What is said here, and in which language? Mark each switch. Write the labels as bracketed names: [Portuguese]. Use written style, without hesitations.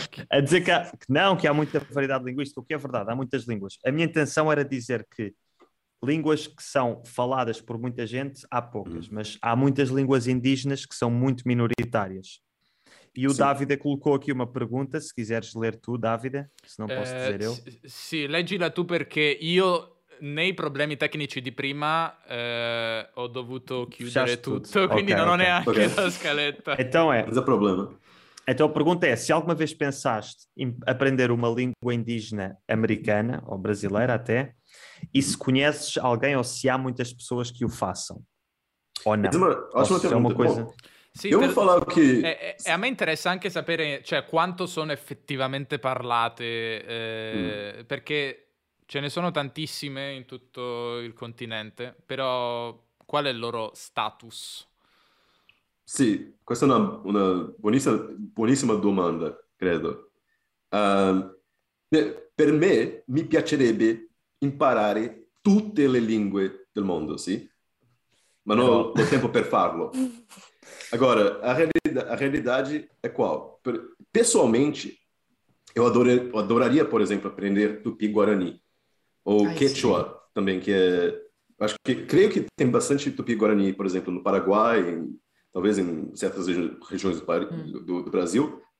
[Portuguese] A dizer que há muita variedade linguística, o que é verdade, há muitas línguas. A minha intenção era dizer que línguas que são faladas por muita gente, há poucas, mas há muitas línguas indígenas que são muito minoritárias. E o Davide colocou aqui uma pergunta, se quiseres ler tu, Davide, se não posso dizer eu. [Italian] Sim, leggila tu, [Portuguese] porque eu, [Italian] nei problemi tecnici di prima, ho dovuto chiudere tutto, quindi okay, non ho neanche la scaletta. [Portuguese] Então é. Mas é problema. Então a pergunta é, se alguma vez pensaste em aprender uma língua indígena americana, ou brasileira até, e se conheces alguém ou se há muitas pessoas que o façam, ou não? Ótima pergunta. [Italian] Sì, io falavo che... E a me interessa anche sapere, cioè, quanto sono effettivamente parlate, perché ce ne sono tantissime in tutto il continente, però qual è il loro status? Sì, questa è una buonissima, buonissima domanda, credo. Per me mi piacerebbe imparare tutte le lingue del mondo, sì? Ma non ho tempo per farlo. [Portuguese] Agora, a realidade é qual? Pessoalmente, eu adoraria, por exemplo, aprender Tupi-Guarani. Ou Quechua também, que é... Creio que tem bastante Tupi-Guarani, por exemplo, no Paraguai, talvez em certas regiões do Brasil.